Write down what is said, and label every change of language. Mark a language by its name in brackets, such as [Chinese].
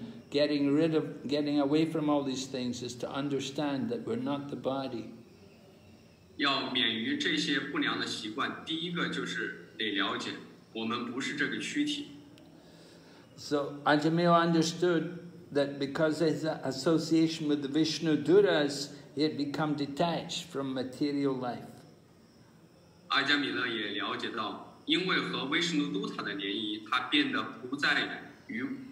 [English] Getting away from all these things is to understand that we're not the body. [Chinese] 要免于这些不良的习惯，第一个就是得了解，我们不是这个躯体。 [English] So Ajāmila understood that because of his association with the Viṣṇudūtas, he had become detached from material life. [Chinese] 阿迦米勒也了解到，因为和维什努都塔的联谊，他变得不再于。